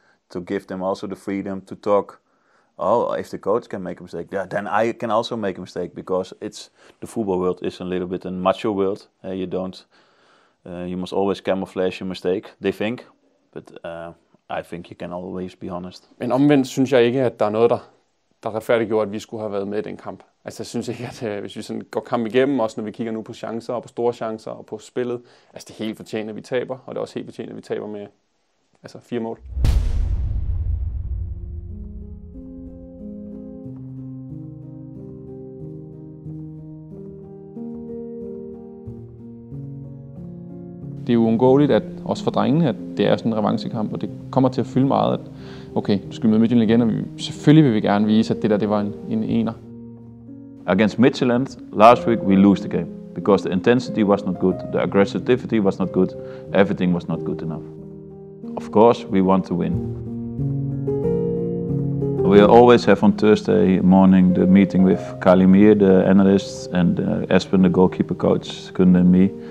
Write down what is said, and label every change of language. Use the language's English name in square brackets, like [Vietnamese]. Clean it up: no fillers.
[English] To give them also the freedom to talk. Oh, if the coach can make a mistake, yeah, then I can also make a mistake, because it's the football world is a little bit a macho world. You must always camouflage your mistake, they think, but I think you can always be honest. [Danish] Men omvendt synes jeg ikke, at der er noget der retfærdiggjorde, at vi skulle have været med i den kamp. Altså jeg synes ikke, at hvis vi sådan går kamp igennem, også når vi kigger nu på chancer og på store chancer og på spillet, altså det er helt fortjent, at vi taber, og det er også helt fortjent, at vi taber med altså 4 mål. Det er uundgåeligt, at også for drengene, at det er sådan en revanchekamp, og det kommer til at fylde meget, at okay, du skal møde Midtjylland igen, og vi, selvfølgelig vil vi gerne vise, at det der, det var en ener. [English] Against Midtjylland, last week, we lose the game, because the intensity was not good, the aggressivity was not good, everything was not good enough. Of course, we want to win. We always have on Thursday morning the meeting with Kalimir, the analyst, and Espen, the goalkeeper coach, Kunde and me.